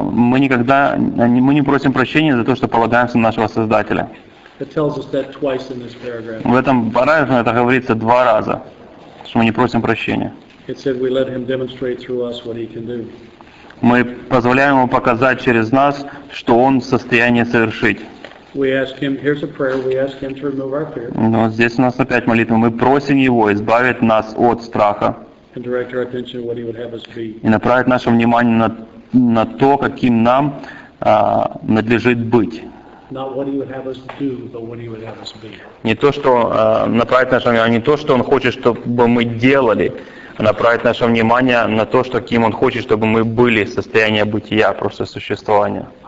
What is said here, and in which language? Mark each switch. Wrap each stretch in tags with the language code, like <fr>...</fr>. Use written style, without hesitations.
<ru>Мы не просим прощения за то, что полагаемся на нашего Создателя.</ru> <en>It tells us that twice in this paragraph.</en> <ru>В этом параграфе это говорится два раза, что мы не просим прощения.</ru> <en>It said we let Him demonstrate through us what He can do.</en> <ru>Мы позволяем Ему показать через нас, что Он в состоянии совершить.</ru> <en>We ask Him. Here's a prayer. We ask Him to remove our fear.</en> <ru>Но здесь у нас опять молитва. Мы просим Его избавить нас от страха.</ru> <en>And direct our attention to what He would have us be.</en> <ru>И направить наше внимание на то, каким нам надлежит быть.</ru> <en>Not what He would have us do, but what He would have us be.</en> <ru>Не то, что направить наше внимание, а не то, что Он хочет, чтобы мы делали. Направить наше внимание на то, что кем Он хочет, чтобы мы были, состояние бытия, просто существования.</ru>